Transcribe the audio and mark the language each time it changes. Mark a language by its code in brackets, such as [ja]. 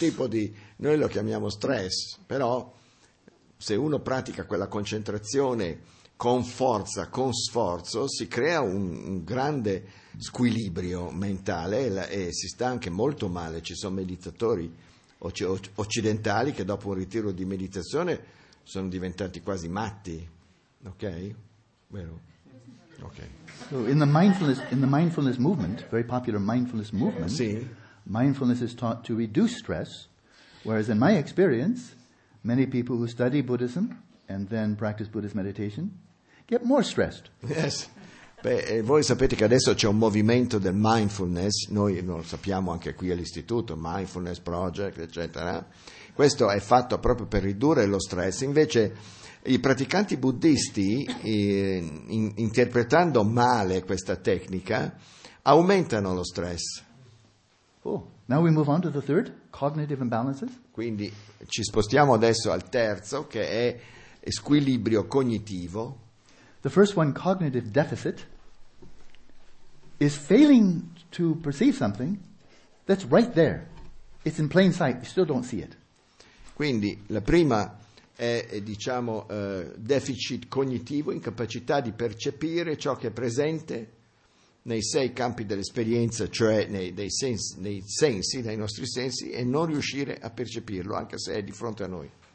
[it] Un tipo di, noi lo chiamiamo stress, però se uno pratica quella concentrazione con forza, con sforzo, si crea un grande squilibrio mentale e si sta anche molto male. Ci sono meditatori occidentali che dopo un ritiro di meditazione sono diventati quasi matti, ok? Vero? Ok. [en] So in the mindfulness movement, very popular mindfulness movement, [it] sì. [en] Mindfulness is taught to reduce stress, whereas in my experience, many people who study Buddhism and then practice Buddhist meditation get more stressed. Yes. [it] Beh, voi sapete che adesso c'è un movimento del mindfulness, noi non lo sappiamo anche qui all'istituto, Mindfulness Project, eccetera. Questo è fatto proprio per ridurre lo stress. Invece i praticanti buddisti, interpretando male questa tecnica, aumentano lo stress. [en] Oh, now we move on to the third, cognitive imbalances. [it] Quindi ci spostiamo adesso al terzo, che è squilibrio cognitivo. [en] The first one, cognitive deficit, is failing to perceive something that's right there. It's in plain sight, you still don't see it. [it] Quindi la prima è, diciamo, deficit cognitivo, incapacità di percepire ciò che è presente nei sei campi dell'esperienza, cioè nei sensi, nei nostri sensi, e non riuscire a percepirlo, anche se è di fronte a noi.